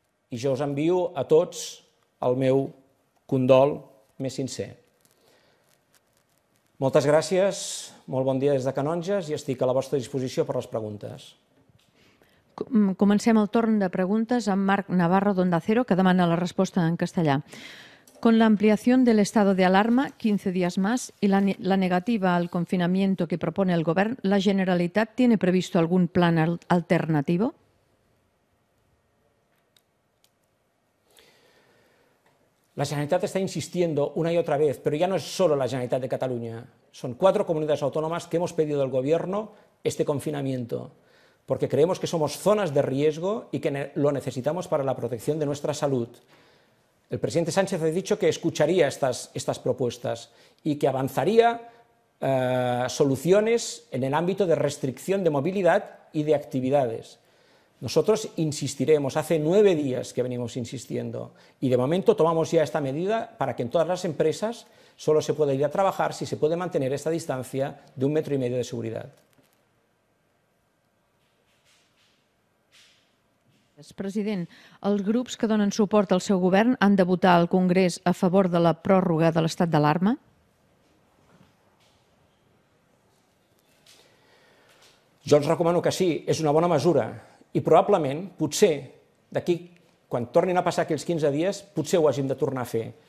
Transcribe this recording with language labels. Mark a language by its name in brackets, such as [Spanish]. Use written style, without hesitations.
[Catalan] I jo us envio a tots el meu condol més sincer. Moltes gràcies, molt bon dia des de Canonges i estic a la vostra disposició per les preguntes. Comencem el torn de preguntes amb Marc Navarro d'Onda Cero, que demana la resposta en castellà. [Spanish] Con la ampliación del estado de alarma, 15 días más, y la negativa al confinamiento que propone el Gobierno, ¿la Generalitat tiene previsto algún plan alternativo? La Generalitat está insistiendo una y otra vez, pero ya no es solo la Generalitat de Cataluña. Son 4 comunidades autónomas que hemos pedido al Gobierno este confinamiento, porque creemos que somos zonas de riesgo y que lo necesitamos para la protección de nuestra salud. El presidente Sánchez ha dicho que escucharía estas propuestas y que avanzaría soluciones en el ámbito de restricción de movilidad y de actividades. Nosotros insistiremos, hace 9 días que venimos insistiendo y de momento tomamos ya esta medida para que en todas las empresas solo se pueda ir a trabajar si se puede mantener esta distancia de 1,5 metros de seguridad. [Catalan] President, els grups que donen suport al seu govern han de votar al Congrés a favor de la pròrroga de l'estat d'alarma? Jo els recomano que sí, és una bona mesura. I probablement, potser, d'aquí, quan tornin a passar aquells 15 dies, potser ho hàgim de tornar a fer.